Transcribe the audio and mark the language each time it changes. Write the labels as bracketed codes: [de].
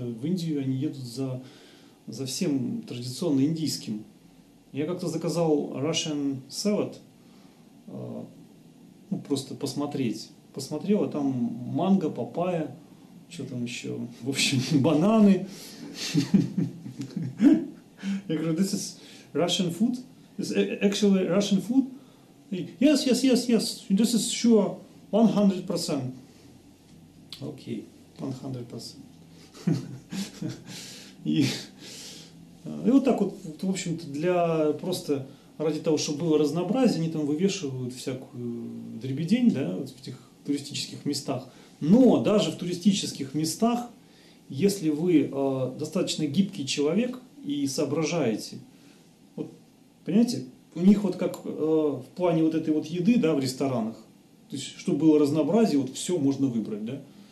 [ru] В Индию они едут за всем традиционно индийским. Я как-то заказал Russian salad, ну, просто посмотреть. Посмотрел, а там манго, папайя, что там еще, в общем, бананы. Я говорю, [en] this is Russian food? This is actually Russian food? Yes, yes, yes, yes, this is sure 100%. [ru] Окей, 100%. И вот так вот, в общем-то, для просто... Ради того, чтобы было разнообразие, они там вывешивают всякую дребедень, да, в этих туристических местах. Но даже в туристических местах, если вы достаточно гибкий человек и соображаете, вот, понимаете, у них вот как в плане вот этой вот еды, да, в ресторанах, то есть, чтобы было разнообразие, вот все можно выбрать, да.